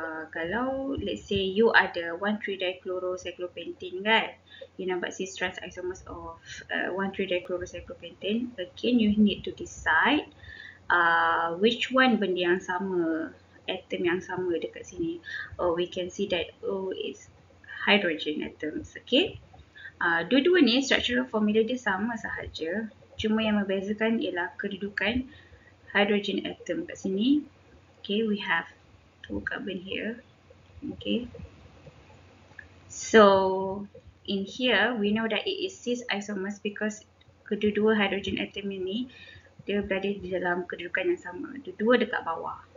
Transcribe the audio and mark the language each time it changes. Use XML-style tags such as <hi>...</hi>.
<en>Kalau let's say you ada 1,3-dichlorocyclopentane kan, you nak buat cis trans isomers of 1,3-dichlorocyclopentane, again you need to decide which one</en> <ms>benda yang sama, atom yang sama dekat sini.</ms> <en>Or we can see that, oh, it's hydrogen atoms.</en> <ms>Okay, dua-dua ni structural formula dia sama sahaja, cuma yang membezakan ialah kedudukan hydrogen atom kat sini.</ms> <en>Okay, we have carbon here. Okay, so in here we know that it is cis isomers because</en> <ms>kedua-dua hydrogen atom ini dia berada di dalam kedudukan yang sama, dua-dua dekat bawah.</ms>